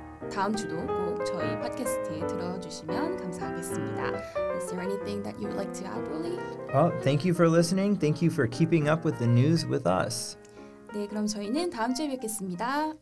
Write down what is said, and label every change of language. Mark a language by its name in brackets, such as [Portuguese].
[Korean] 다음 주도 꼭 저희 팟캐스트에 들어주시면 감사하겠습니다. [English] Is there anything that you would like to add, Willy? Well, thank you for listening. Thank you for keeping up with the news with us. [Korean] 네, 그럼 저희는 다음 주에 뵙겠습니다.